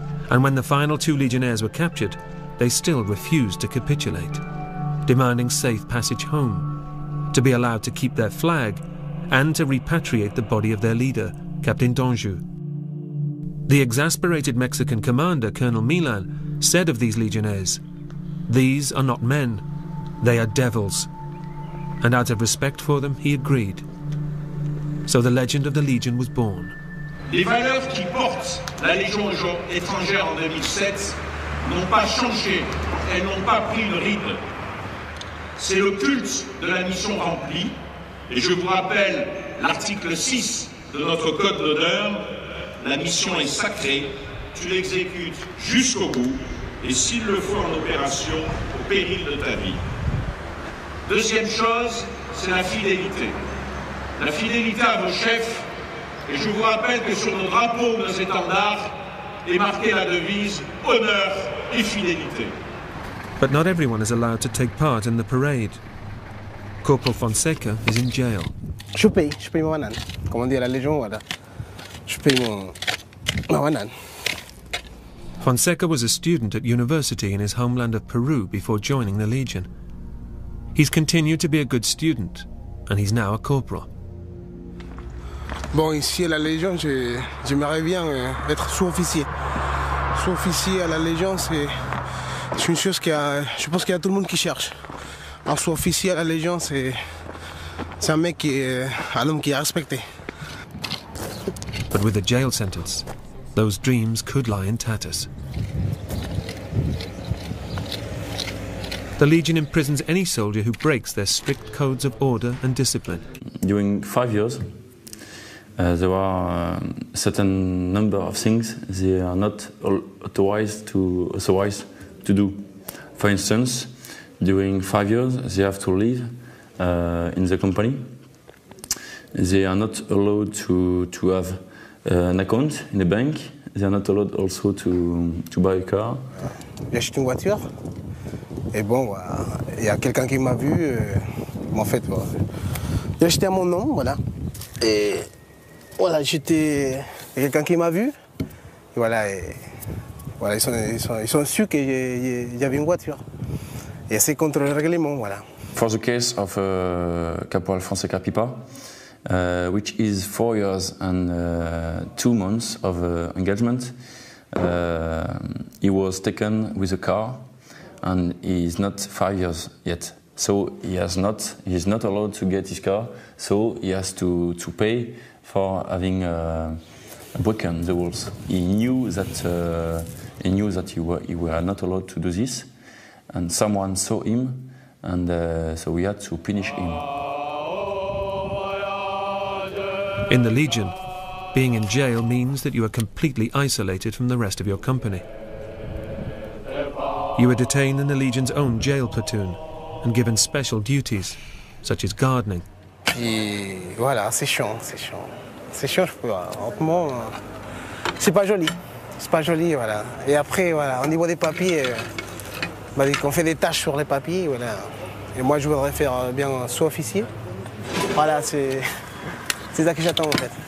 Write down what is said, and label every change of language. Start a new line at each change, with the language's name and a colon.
English: And when the final two Legionnaires were captured, they still refused to capitulate, demanding safe passage home, to be allowed to keep their flag, and to repatriate the body of their leader, Captain Danjou. The exasperated Mexican commander, Colonel Milan, said of these Legionnaires, "These are not men. They are devils." And out of respect for them, he agreed. So the legend of the Legion was born.
French: Les valeurs qui portent la Légion étrangère en 2007 n'ont pas changé. Elles n'ont pas pris une ride. C'est le culte de la mission remplie. Et je vous rappelle l'article 6 de notre code d'honneur. La mission est sacrée. Tu l'exécutes jusqu'au bout. Et s'il le faut en opération, au péril de ta vie. Deuxième chose, c'est la fidélité. La fidélité à vos chefs, et je vous rappelle que sur nos drapeaux ou nos étendards est marquée la devise honneur et fidélité.
English: But not everyone is allowed to take part in the parade. Corporal Fonseca is in jail.
French: Je paye ma banane. Comment dire la Légion, voilà. Je paye ma banane.
English: Fonseca was a student at university in his homeland of Peru before joining the Legion. He's continued to be a good student, and he's now a corporal.
French: Bon, ici à la Légion, j'aimerais bien être sous-officier. Sous-officier à la Légion, c'est une chose je pense qu'il y a tout le monde qui cherche. Un sous-officier à la Légion, c'est un mec qui est un homme qui est respecté.
English: But with a jail sentence, those dreams could lie in tatters. The Legion imprisons any soldier who breaks their strict codes of order and discipline. During 5 years, there are a certain number of things they are not authorized to do. For instance, during 5 years, they have to live in the company. They are not allowed to have an account in a bank. They are not allowed also to buy a car.
French: J'achète une voiture. Et bon, il y a quelqu'un qui m'a vu. En fait, j'ai acheté à mon nom, voilà. Et voilà, j'étais quelqu'un qui m'a vu. Et voilà, ils ont su que j'avais une voiture. Et c'est contre le règlement, voilà.
English: For the case of Caporal Fonseca Pipa, which is 4 years and 2 months of engagement, he was taken with a car. And he is not 5 years yet, so he is not allowed to get his car. So he has to pay for having broken the rules. He knew that he were not allowed to do this, and someone saw him, and so we had to punish him. In the Legion, being in jail means that you are completely isolated from the rest of your company. You were detained in the Legion's own jail platoon and given special duties, such as gardening.
French: Et voilà, c'est chiant. C'est chiant, je peux honnêtement, c'est pas joli, voilà. Et après, voilà, au niveau des papiers, on fait des tâches sur les papiers, voilà. Et moi, je voudrais faire bien sous-officier. Voilà, c'est ça que j'attends, en fait.